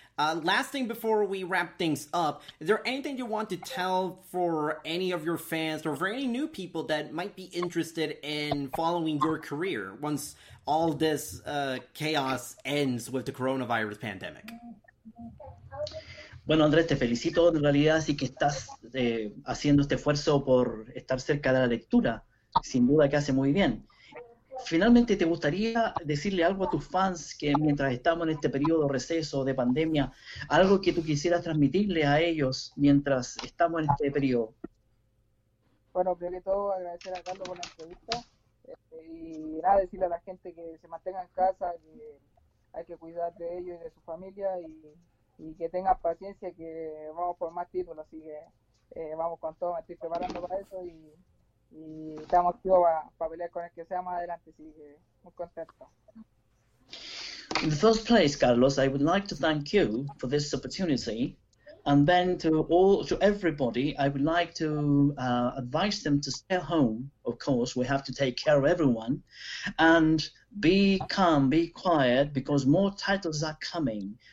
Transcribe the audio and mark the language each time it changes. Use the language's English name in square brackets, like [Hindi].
[English] Last thing before we wrap things up, is there anything you want to tell for any of your fans or for any new people that might be interested in following your career once all this chaos ends with the coronavirus pandemic? [Spanish] Bueno, Andrés, te felicito en realidad, así que estás haciendo este esfuerzo por estar cerca de la lectura. Sin duda que hace muy bien. Finalmente, ¿te gustaría decirle algo a tus fans que mientras estamos en este periodo de receso, de pandemia, algo que tú quisieras transmitirle a ellos mientras estamos en este periodo? Bueno, primero que todo, agradecer a Carlos por la entrevista. Y nada, decirle a la gente que se mantenga en casa, que hay que cuidar de ellos y de su familia, y que tenga paciencia, que vamos por más títulos. Así que vamos con todo, me estoy preparando para eso y estamos activos para pelear con el que sea más adelante, así que muy contento. [English] In the first place, Carlos, I would like to thank you for this opportunity, and then to everybody, I would like to advise them to stay home. Of course, we have to take care of everyone, and be calm, be quiet, because more titles are coming.